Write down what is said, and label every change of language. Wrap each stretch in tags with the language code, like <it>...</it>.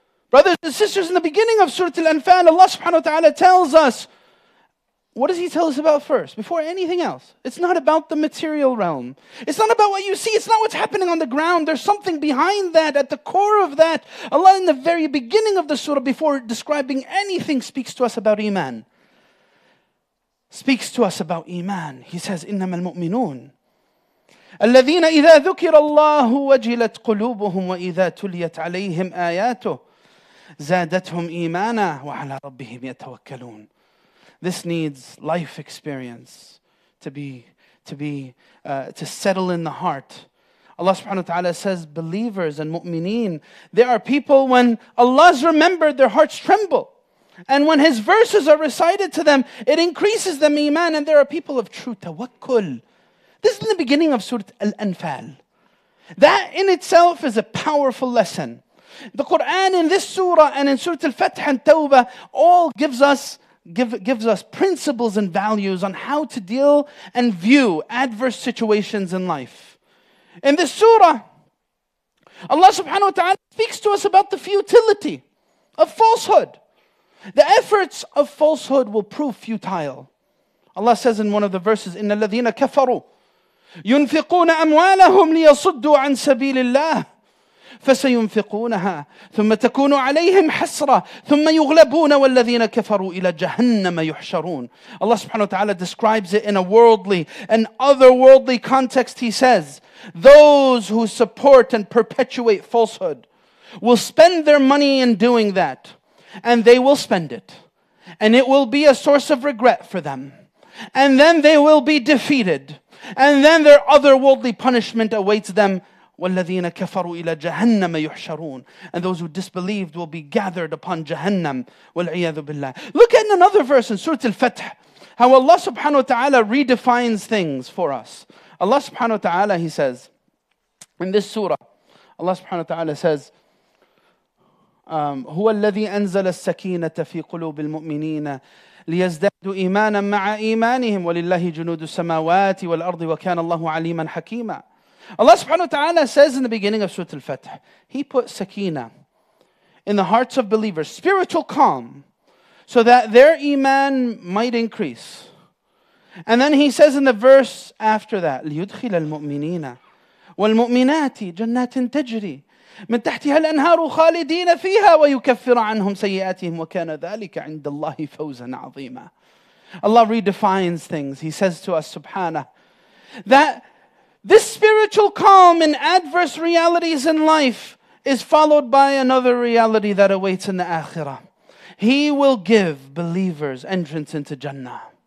<en>Brothers and sisters, in the beginning of Surah Al-Anfal, Allah subhanahu wa ta'ala tells us, what does He tell us about first? Before anything else. It's not about the material realm. It's not about what you see. It's not what's happening on the ground. There's something behind that, at the core of that. Allah, in the very beginning of the surah, before describing anything, speaks to us about iman. Speaks to us about iman. He says,</en> <ar>إِنَّمَا الْمُؤْمِنُونَ الَّذِينَ إِذَا ذُكِرَ اللَّهُ وَجِلَتْ قُلُوبُهُمْ وَإِذَا تُلِيَتْ عَلَيْهِمْ آيَاتُهُ زَادَتْهُمْ إِيمَانًا وَعَلَى رَبِّهِمْ يَتَوَكَّلُونَ</ar> <en>This needs life experience to settle in the heart. Allah subhanahu wa ta'ala says, believers and mu'mineen, there are people when Allah's remembered, their hearts tremble. And when His verses are recited to them, it increases them iman. And there are people of true tawakkul. This is in the beginning of Surah Al-Anfal. That in itself is a powerful lesson. The Quran in this surah and in Surah Al-Fath and Tawbah all gives us principles and values on how to deal and view adverse situations in life. In this surah, Allah subhanahu wa ta'ala speaks to us about the futility of falsehood. The efforts of falsehood will prove futile. Allah says in one of the verses,</en> <ar>إِنَّ الَّذِينَ كَفَرُوا يُنْفِقُونَ أَمْوَالَهُمْ لِيَصُدُّوا عَنْ سَبِيلِ اللَّهِ فسينفقونها ثم تكون عليهم حسرة ثم يغلبون والذين كفروا إلى جهنم يحشرون</ar> <en>Allah subhanahu wa ta'ala describes it in a worldly and otherworldly context. He says, those who support and perpetuate falsehood will spend their money in doing that, and they will spend it, and it will be a source of regret for them, and then they will be defeated, and then their otherworldly punishment awaits them.</en> <ar>وَالَّذِينَ كَفَرُوا إِلَى جَهَنَّمَ يُحْشَرُونَ</ar> <en>And those who disbelieved will be gathered upon Jahannam.</en> <ar>وَالْعِيَذُ بِاللَّهِ</ar> <en>Look at another verse in Surah Al-Fath. how Allah subhanahu wa ta'ala redefines things for us. Allah subhanahu wa ta'ala, he says, in this surah, Allah subhanahu wa ta'ala says,</en> <ar>هُوَ الَّذِي أَنزَلَ السَّكِينَةَ فِي قُلُوبِ الْمُؤْمِنِينَ لِيَزْدَادُ إِيمَانًا مَعَ إِيمَانِهِمْ وَلِلَّهِ جُنُودُ السَّمَاوَاتِ وَالْأَرْضِ وَكَانَ اللَّهُ عَلِيمًا حَكِيمًا.</ar> <en>Allah subhanahu wa ta'ala says in the beginning of Surah Al-Fath, he put sakina in the hearts of believers, spiritual calm, so that their iman might increase. And then he says in the verse after that,</en> <ar>لِيُدْخِلَ الْمُؤْمِنِينَ وَالْمُؤْمِنَاتِ جَنَّاتٍ تَجْرِي مِنْ تَحْتِهَا الْأَنْهَارُ خَالِدِينَ فِيهَا وَيُكَفِّرَ عَنْهُمْ سَيِّئَاتِهِمْ وَكَانَ ذَلِكَ عِنْدَ اللَّهِ فَوْزًا عَظِيمًا.</ar> <en>Allah redefines things. He says to us, subhanah, that this spiritual calm in adverse realities in life is followed by another reality that awaits in the akhirah. He will give believers entrance into Jannah.</en>